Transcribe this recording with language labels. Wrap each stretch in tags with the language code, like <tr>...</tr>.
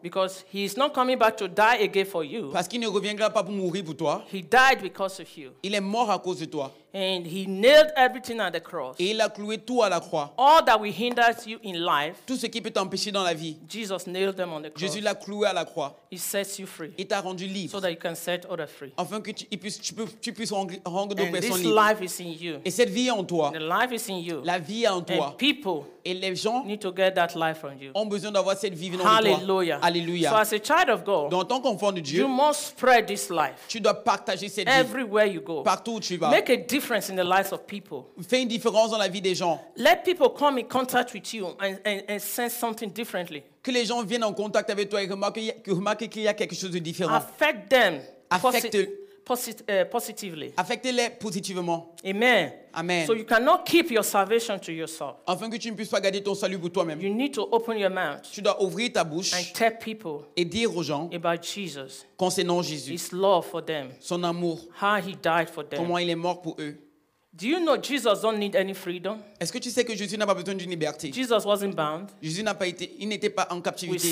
<en>Because he is not coming back to die again for you.</en> <fr>Parce qu'il ne reviendra pas pour mourir pour toi.</fr> <en>He died because of you.</en> <fr>Il est mort à cause de toi.</fr> <en>And he nailed everything at the cross.</en> <fr>Et il a cloué tout à la croix.</fr> <en>All that will hinder you in life.</en> <fr>Tout ce qui peut t'empêcher dans la vie.</fr> <en>Jesus nailed them on the cross.</en> <fr>Jésus l'a cloué à la croix.</fr> <en>He sets you free.</en> <fr>Il t'a rendu libre.</fr> <en>So that you can set others free.</en> <fr>Afin que tu puisses rendre d'autres personnes libres.</fr> <en>And this life is in you.</en> <fr>Et cette vie est en toi.</fr> <en>The life is in you.</en> <fr>La vie est en toi.</fr> <en>And people.</en> <fr>Et les gens</fr> <en>need to get that life from you.</en> <fr>Ont besoin d'avoir cette vie venant</fr> <en>Hallelujah.</en> <fr>De toi. Alléluia.</fr> <en>So as a child of God,</en> <fr>donc, en tant qu'enfant de Dieu,</fr> <en>you must spread this life.</en> <fr>Tu dois partager cette</fr> <en>everywhere</en> <fr>vie.</fr> <en>You go.</en> <fr>Partout où tu vas.</fr> <en>Make a difference in the lives of people.</en> <fr>Fais une différence dans la vie des gens.</fr> <en>Let people come in contact with you and sense something differently.</en> <fr>Que les gens viennent en contact avec toi et remarquent qu'il y a quelque chose de différent.</fr> <en>Affect them.</en> <fr>Affecte.</fr> <en>Positively.</en> <fr>Affectez-les positivement.</fr> <en>Amen.</en> <fr>Amen.</fr> <en>So you cannot keep your salvation to yourself.</en> <fr>Afin que tu ne puisses pas garder ton salut pour toi-même.</fr> <en>You need to open your mouth.</en> <fr>Tu dois ouvrir ta bouche.</fr> <en>And tell people.</en> <fr>Et dire aux gens.</fr> <en>About Jesus.</en> <fr>Concernant Jésus.</fr> <en>His love for them.</en> <fr>Son amour.</fr> <en>How he died for them.</en> <fr>Comment il est mort pour eux.</fr> <en>Do you know Jesus don't need any freedom?</en> <fr>Est-ce que tu sais que Jésus n'a pas besoin d'une liberté?</fr> <en>Jesus wasn't bound.</en> <fr>Jésus n'a pas été, il n'était pas en captivité.</fr>